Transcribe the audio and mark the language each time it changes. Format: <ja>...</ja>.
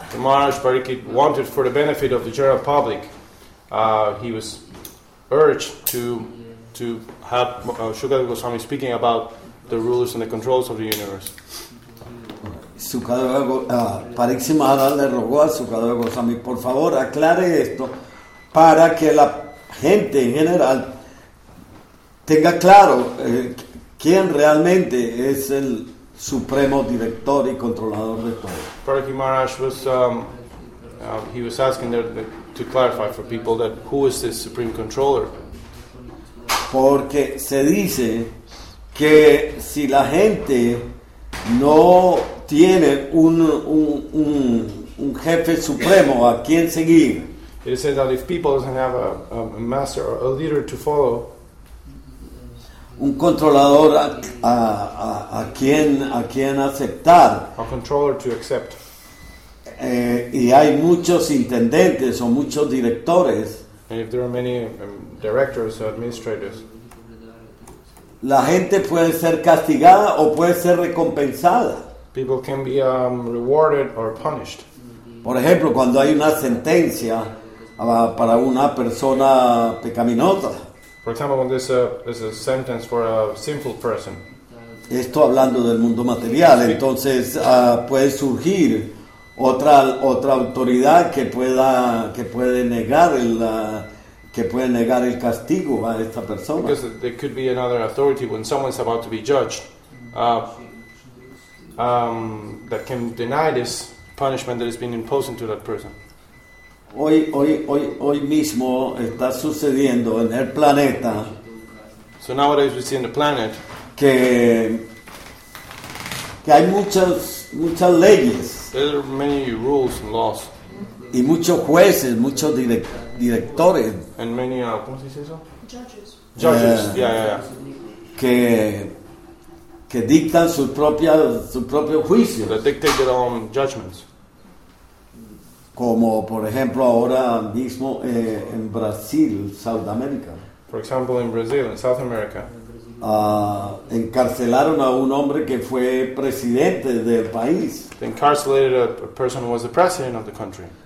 <en>Maharaj Pariksit wanted for the benefit of the general public. He was urged to have Sukadeva Goswami speaking about the rules and the controls of the universe.</en> <es>Pariksit Maharaj le rogó a Sukadeva Goswami, por favor, aclare esto para que la gente en general tenga claro quién realmente es el supremo director y controlador de todo.</es> <en>Pariksit Maharaj was he was asking to clarify for people that who is this supreme controller.</en> <es>Porque se dice que si la gente no tiene un jefe supremo a quien seguir.</es> <en>It is said that if people doesn't have a master or a leader to follow,</en> <es>un controlador a quien aceptar,</es> <en>a controller to accept,</en> <es>y hay muchos intendentes o muchos directores,</es> <en>and if there are many directors or administrators,</en> <es>la gente puede ser castigada o puede ser recompensada.</es> <en>People can be rewarded or punished.</en> <es>Por ejemplo, cuando hay una sentencia para una persona pecaminosa.</es> <en>For example, when there's a sentence for a sinful person.</en> <es>Esto hablando del mundo material, entonces puede surgir otra autoridad que puede negar el castigo a esta persona.</es> <en>Because there could be another authority when someone's about to be judged. That can deny this punishment that has been imposed to that person.</en> <es>Hoy mismo está sucediendo en el planeta.</es> <en>So nowadays we see in the planet</en> <es>que hay muchas leyes.</es> <en>There are many rules and laws.</en> <es>Y muchos jueces, muchos directores.</es> <en>And many</en> <es>¿cómo se dice eso?</es> <en>Judges.</en> <es>Que dictan su propio juicio.</es> <en>That dictate their own judgments.</en> <es>Como por ejemplo ahora mismo en Brasil, South America.</es> <en>For example, in Brazil, in South America.</en> <es>Encarcelaron a un hombre que fue presidente del país.</es> <en>They incarcerated a person who was the president of the country.</en>